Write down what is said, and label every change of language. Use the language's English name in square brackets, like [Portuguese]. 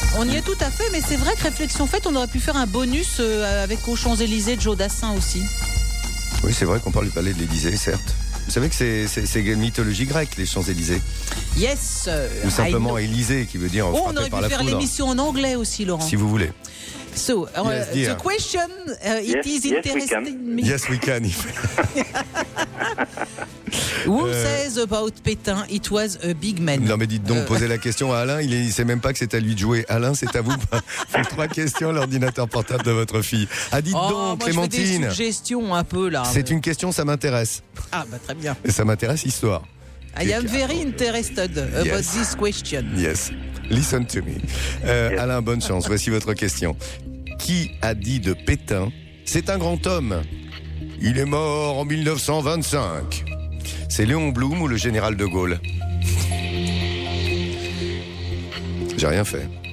[French] On y est tout à fait, mais c'est vrai que réflexion faite, on aurait pu faire un bonus avec aux Champs-Élysées de Joe Dassin aussi. Oui, c'est vrai qu'on parle du palais de l'Élysée, certes. Vous savez que c'est une mythologie grecque, les Champs-Élysées. [English] Yes. [French] Ou simplement Élysée qui veut dire frappé par la foudre. On aurait pu faire l'émission en anglais aussi, Laurent. Si vous voulez. [English] So, the question is interesting. Yes, we can. Who says about Pétain, it was a big man? [French] Non, mais dites donc, posez la question à Alain, il ne sait même pas que c'est à lui de jouer. Alain, c'est à vous. Faut trois questions à l'ordinateur portable de votre fille. Ah, dites donc, moi, Clémentine. Je fais des suggestions un peu là. C'est une question, ça m'intéresse. Ah, bah très bien. Et ça m'intéresse histoire. [English] I am very interested about this question. Yes. Listen to me. [French] Alain, bonne chance. Voici votre question. qui a dit de Pétain, c'est un grand homme. Il est mort en 1925. C'est Léon Blum ou le général de Gaulle? J'ai rien fait.